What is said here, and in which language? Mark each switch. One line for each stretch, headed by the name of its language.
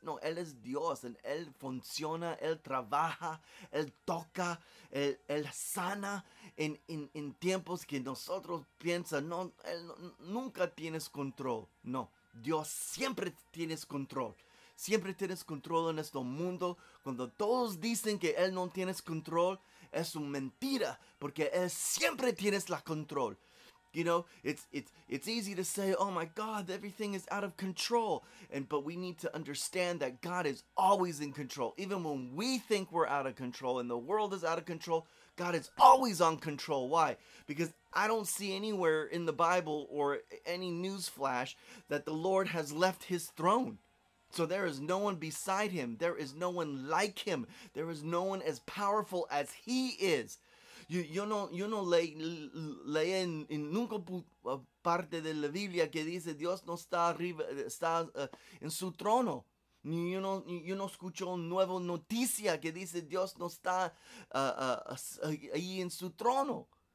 Spanish: No, Él es Dios, y Él funciona, Él trabaja, Él toca, Él sana en tiempos que nosotros piensas, no, Él nunca tienes control. No, Dios siempre tienes control. Siempre tienes control en este mundo. Cuando todos dicen que Él no tienes control, es una mentira, porque Él siempre tienes la control.
English: It's easy to say, oh my God, everything is out of control. But we need to understand that God is always in control. Even when we think we're out of control and the world is out of control, God is always on control. Why? Because I don't see anywhere in the Bible or any news flash that the Lord has left his throne. So there is no one beside him. There is no one like him. There is no one as powerful as he is.
Spanish: Yo no leí en ninguna parte de la Biblia que dice Dios no está arriba, está en su trono. Yo no escucho una nueva noticia que dice Dios no está ahí en su trono.